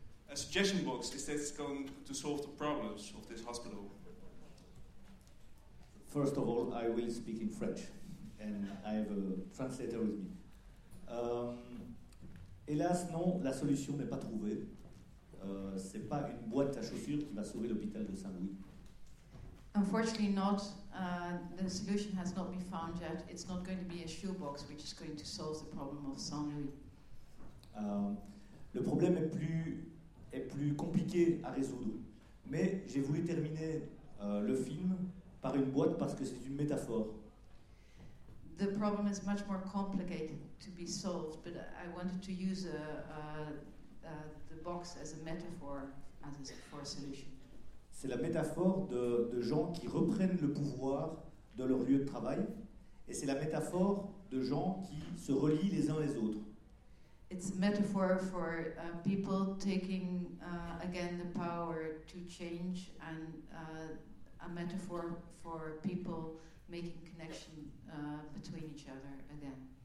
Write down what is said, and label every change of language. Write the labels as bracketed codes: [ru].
[en] A suggestion box, is that going to solve the problems of this hospital? First of all, I will speak in French, and I have a translator with me. [fr] Hélas, non, la solution n'est pas trouvée. C'est pas une boîte à chaussures qui va sauver l'hôpital de Saint-Louis. [en] Unfortunately not, the solution has not been found yet. It's not going to be a shoebox which is going to solve the problem of Saint-Louis. [fr] Le problème est plus compliqué à résoudre. Mais j'ai voulu terminer le film par une boîte parce que c'est une métaphore. [en] The problem is much more complicated to be solved, but I wanted to use the box as a metaphor for a solution. [fr] C'est la métaphore de gens qui reprennent le pouvoir de leur lieu de travail, et c'est la métaphore de gens qui se relient les uns les autres. [en] It's a metaphor for people taking again the power to change, and a metaphor for people making connection between each other again.